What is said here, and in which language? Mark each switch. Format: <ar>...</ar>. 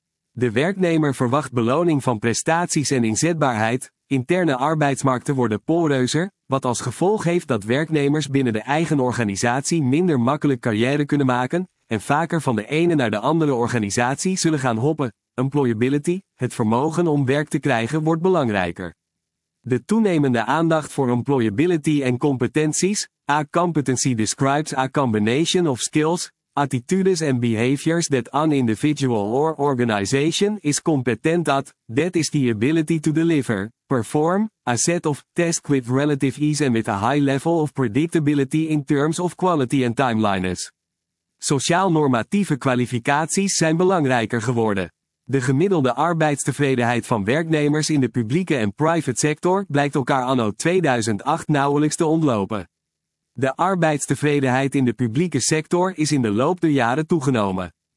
<nl>De werknemer verwacht beloning van prestaties en inzetbaarheid, interne arbeidsmarkten worden poreuzer, wat als gevolg heeft dat werknemers binnen de eigen organisatie minder makkelijk carrière kunnen maken en vaker van de ene naar de andere organisatie zullen gaan hoppen. Employability, het vermogen om werk te krijgen, wordt belangrijker. De toenemende aandacht voor employability en competenties,</nl> <en>a competency describes a combination of skills, attitudes and behaviors that an individual or organization is competent at, that is the ability to deliver, perform, a set of tasks with relative ease and with a high level of predictability in terms of quality and timeliness.</en> <nl>Sociaal-normatieve kwalificaties zijn belangrijker geworden. De gemiddelde arbeidstevredenheid van werknemers in de publieke en private sector blijkt elkaar anno 2008 nauwelijks te ontlopen. De arbeidstevredenheid in de publieke sector is in de loop der jaren toegenomen.</nl>